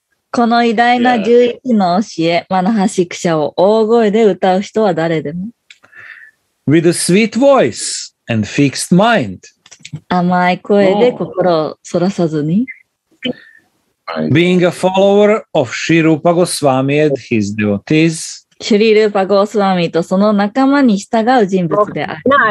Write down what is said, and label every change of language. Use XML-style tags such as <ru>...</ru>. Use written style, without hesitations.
<ja>この偉大な11の教え、マナハシクシャを大声で歌う人は誰でも。</ja> <en>With a sweet voice and fixed mind.</en> <ja>甘い声で心をそらさずに。</ja> <en>Being a follower of Sri Rupa Goswami and his devotees.</en> <ja>シュリルーパゴースワミとその仲間に従う人物である。</ja>